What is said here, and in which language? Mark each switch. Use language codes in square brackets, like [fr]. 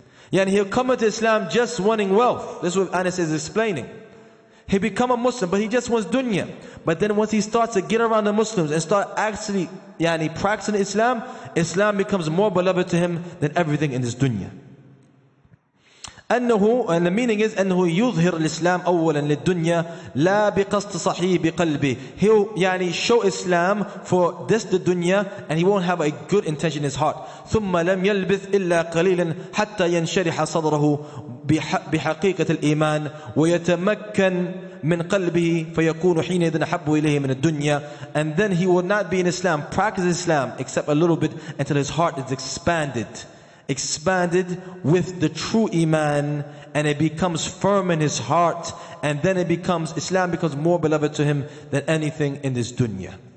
[en] Yeah, and he'll come into Islam just wanting wealth. This is what Anas is explaining. He become a Muslim, but he just wants dunya. But then once he starts to get around the Muslims and start actually practicing Islam, Islam becomes more beloved to him than everything in this dunya. And the meaning is, [ar] أنه يظهر الإسلام أولا للدنيا لا بقصد صحيح بقلبي. [en] He'll show Islam for this the dunya, and he won't have a good intention in his heart. [ar] ثم لم يلبث إلا قليلا حتى ينشرح صدره بحقيقة الإيمان ويتمكن من قلبه فيكون حينئذ أحب إليه من الدنيا. [en] And then he will not be in Islam, practice Islam, except a little bit, until his heart is expanded with the true iman, and it becomes firm in his heart, and then Islam becomes more beloved to him than anything in this dunya.